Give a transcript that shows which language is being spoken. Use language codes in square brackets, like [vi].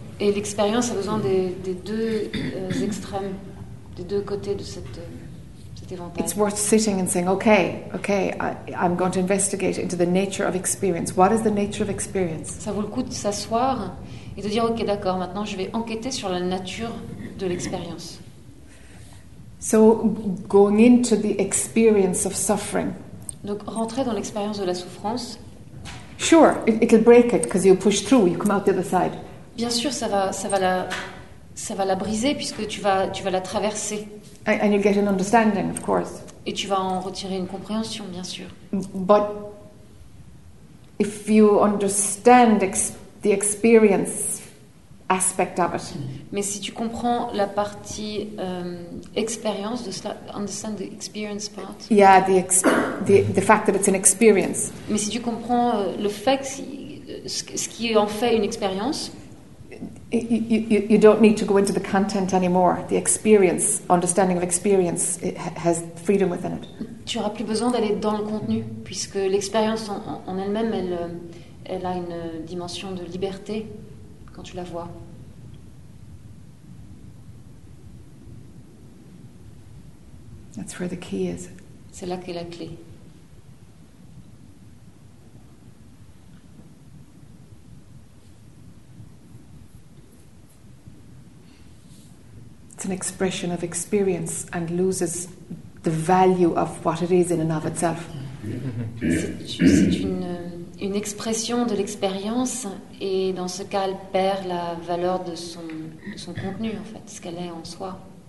[fr] Et l'expérience a besoin des deux extrêmes, des deux côtés de cette. [en] It's worth sitting and saying, okay, I'm going to investigate into the nature of experience. What is the nature of experience? [fr] Ça vaut le coup de s'asseoir et de dire, okay, d'accord, maintenant je vais enquêter sur la nature de l'expérience. [en] So, going into the experience of suffering. [fr] Donc, rentrer dans l'expérience de la souffrance. [en] Sure, it'll break it because you push through, you come out the other side. [fr] Bien sûr, ça va la briser puisque tu vas la traverser. [en] And you get an understanding, of course. [fr] Et tu vas en retirer une compréhension, bien sûr. [en] But if you understand the experience aspect of it. [fr] Mais si tu comprends la partie expérience de cela, [en] understand the experience part. Yeah, the fact that it's an experience. [fr] Mais si tu comprends le fait ce qui en fait une expérience. [en] You don't need to go into the content anymore. The experience, understanding of experience, it has freedom within it. [fr] Tu n'auras plus besoin d'aller dans le contenu, puisque l'expérience en elle-même, elle a une dimension de liberté quand tu la vois. [en] That's where the key is. [fr] C'est là qu'est la clé. [en] It's an expression of experience and loses the value of what it is in and of itself. [fr] C'est une expression de l'expérience et dans ce cas, elle perd la valeur de son contenu, en fait, ce qu'elle est en soi.